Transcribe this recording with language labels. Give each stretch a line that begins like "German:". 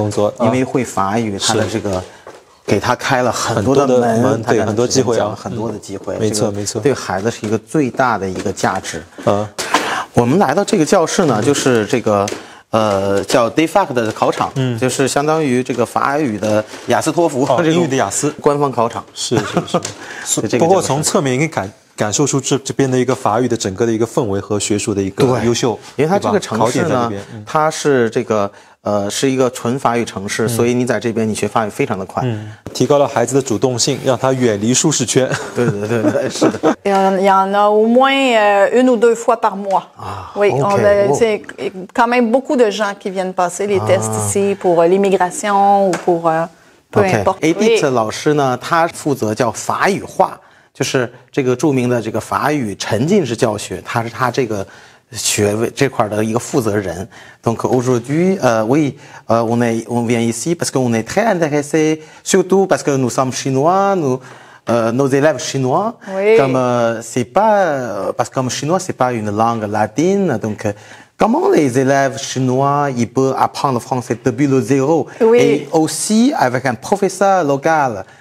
French: Oui.
Chinese: 不会法语的学生，在这儿里经过6个月、1年左右的法语化的训练，最后他可以说流利的法语。我刚才问他呢，说，这个中国留学生因为从零开始学嘛，会不会有难度？他说是一个挑战，但是呢，他们学生也都最后读完学业，而且他强调的就是之后孩子的未来，孩子的未来的移民身份，他的就业，因为会法语，他的这个。给他开了很多的门，他给他很多机会，没错，对孩子是一个最大的一个价值。我们来到这个教室呢，就是这个叫 DFAC 的考场，就是相当于这个法语的雅思托福，英语的雅思官方考场。是。不过从侧面也可以感受出这边的一个法语的整个的一个氛围和学术的一个优秀，因为它这个城市呢，它是这个。是一个纯法语城市，所以你在这边你学法语非常的快，提高了孩子的主动性，让他远离舒适圈。对对对，是的。
French: Il y en a au moins une ou deux fois par mois. Ah, oui, okay, on a, c'est quand même beaucoup de gens qui viennent passer les tests ici pour l'immigration ou pour peu importe.
Chinese: Edith 老师呢，他负责叫法语化，就是这个著名的这个法语沉浸式教学，他是他这个。学位这块的一个负责人
French: ，donc aujourd'hui, oui, on vient ici parce qu'on est très intéressé, surtout parce que nous sommes chinois, nous, nos élèves chinois, comme c'est pas, parce que comme chinois c'est pas une langue latine, donc comment les élèves chinois ils peuvent apprendre français depuis le zéro, et aussi avec un professeur local.